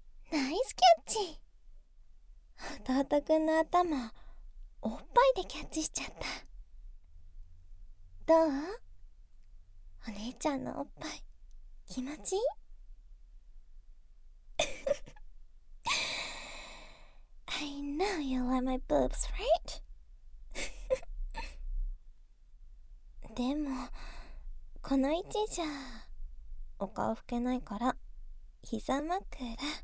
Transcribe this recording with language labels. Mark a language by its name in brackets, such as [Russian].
[Japanese] ナイスキャッチ。弟くんの頭、おっぱいでキャッチしちゃった。どう？お姉ちゃんのおっぱい、気持ちいい？ [English] I know you like my boobs, right? [Japanese] でも、この位置じゃお顔拭けないから膝枕ね。